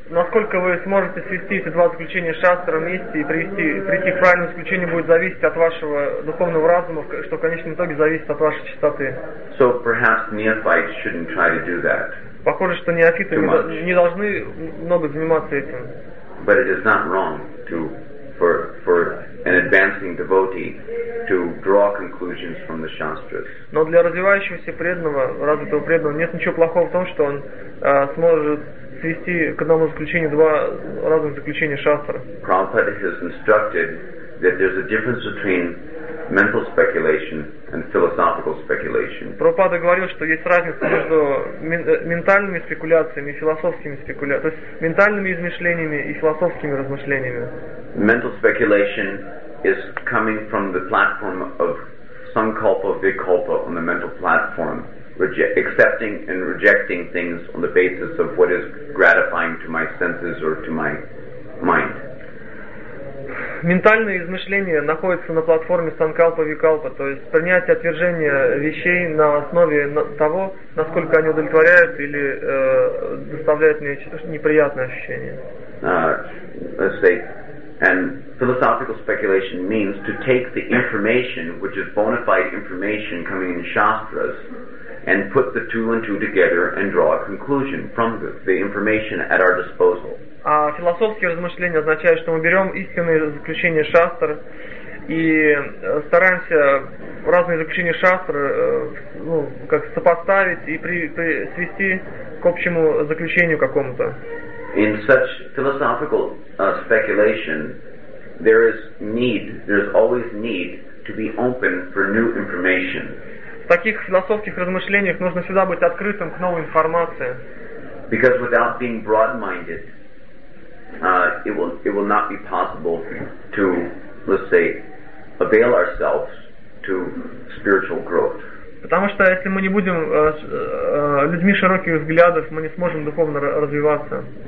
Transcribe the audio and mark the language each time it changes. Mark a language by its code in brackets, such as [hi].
[ru] Насколько вы сможете свести эти два заключения шастры вместе и прийти к правильному заключению будет зависеть от вашего духовного разума, что в конечном итоге зависит от вашей чистоты. [en] So perhaps neophytes shouldn't try to do that. [ru] Похоже, что неофиты не должны много заниматься этим. [en] But it is not wrong to for an advancing devotee to draw conclusions from the shastras. [ru] Но для развивающегося преданного, развитого преданного, нет ничего плохого в том, что он сможет свести к одному заключению два разных заключения шастр. [en] Prabhupada has instructed that there's a difference between mental speculation and philosophical speculation. [ru] Прабхупада говорил, что есть разница между ментальными спекуляциями и философскими спекуляциями, то есть ментальными измышлениями и философскими размышлениями. [en] Mental speculation is coming from the platform of sankalpa vikalpa on the mental platform, accepting and rejecting things on the basis of what is gratifying to my senses or to my mind. [ru] Ментальное измышление находится на платформе санкалпа-викалпа, то есть принятие отвержения вещей на основе того, насколько они удовлетворяют или доставляют мне неприятные ощущения. [en] Let's say, and philosophical speculation means to take the information, which is bona fide information coming in shastras, and put the two and two together and draw a conclusion from the information at our disposal. [ru] А философские размышления означают, что мы берем истинные заключения шастр и стараемся разные заключения шастр, ну, как сопоставить и свести к общему заключению какому-то. [en] In such philosophical speculation, there is need, there is always need to be open for new information. [ru] В таких философских размышлениях нужно всегда быть открытым к новой информации. [en] Because without being broad-minded, it will not be possible to, let's say, avail ourselves to spiritual growth. [ru] Потому что если мы не будем людьми широких взглядов, мы не сможем духовно развиваться.